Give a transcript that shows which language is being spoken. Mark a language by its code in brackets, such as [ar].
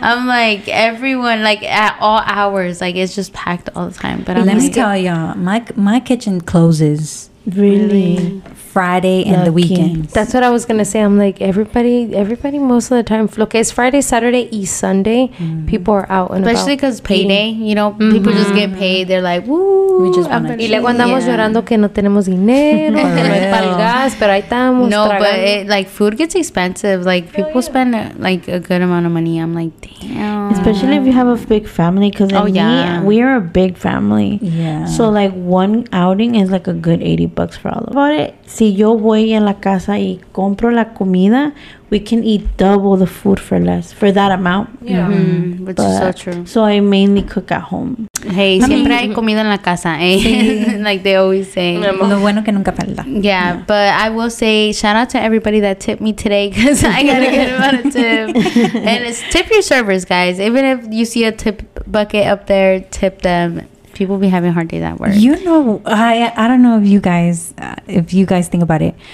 [en] I'm like, everyone, like, at all hours, like, it's just packed all the time. But let me tell y'all, my kitchen closes. Really? Friday and lucky. The weekends. That's what I was gonna say. I'm like, everybody most of the time, look, it's Friday, Saturday, East Sunday, mm-hmm. people are out and especially about. Especially because payday, you know, mm-hmm. people just get paid. They're like, woo. We just want to. [es] Y luego andamos llorando que no tenemos dinero. Para el gas, pero ahí estamos. [en] No, but it, like, food gets expensive. Like, people spend like a good amount of money. I'm like, damn. Especially if you have a big family, because we are a big family. Yeah. So like one outing is like a good $80 for all of us. [es] Si yo voy en la casa y compro la comida, [en] we can eat double the food for less, for that amount. Yeah, mm-hmm. Which is so true. So I mainly cook at home. [es] Hey, siempre hay comida en la casa, eh? [en] Sí. Like they always say. [es] Lo bueno que nunca falta. [en] Yeah, but I will say, shout out to everybody that tipped me today, because I got a good amount of tip. And it's tip your servers, guys. Even if you see a tip bucket up there, tip them. People be having a hard day at work. You know, I don't know if you guys think about it.